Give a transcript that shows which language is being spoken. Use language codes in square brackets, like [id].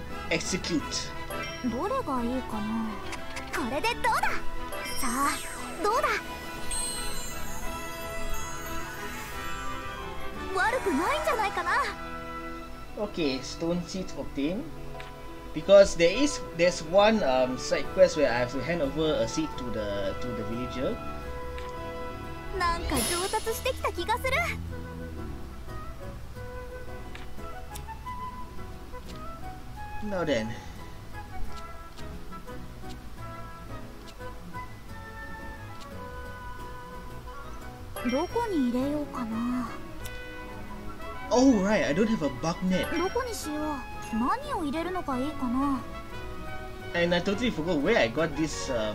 [ja] エクセキュート。どれがいいかな。これでどうだ。さあ、どうだ。悪くないんじゃないかな。 [en] Okay, stone seeds obtained. Because there's one side quest where I have to hand over a seed to the villager. [ja] なんか上達してきた気がする。 [en] Now then. [ja] どこに入れようかな。 [en] Oh right, I don't have a bug net. [ja] どこにしよう。何を入れるのがいいかな。 [en] And I totally forgot where I got this.